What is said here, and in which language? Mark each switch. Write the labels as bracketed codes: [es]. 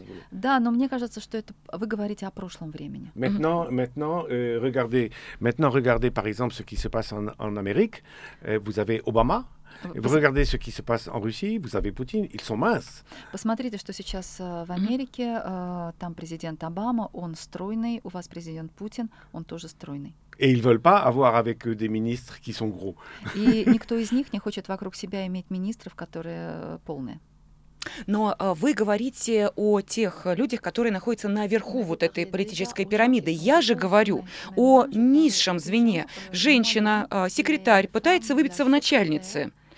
[ru] Да, но мне кажется, что это вы говорите о прошлом времени. [fr] Maintenant, regardez par exemple ce qui se passe en Amérique. Vous avez Obama. Vous regardez ce qui se passe en Russie, vous avez Poutine, ils sont minces. [ru] Посмотрите, что сейчас в Америке, там президент Обама, он стройный, у вас президент Путин, он тоже стройный. [fr] Et ils veulent pas avoir avec eux des ministres qui sont gros. [ru] И никто из них не хочет вокруг себя иметь министров, которые полные. Но вы говорите о тех людях, которые находятся наверху вот этой политической пирамиды. Я же говорю о низшем звене. Женщина, секретарь, пытается выбиться в начальницы.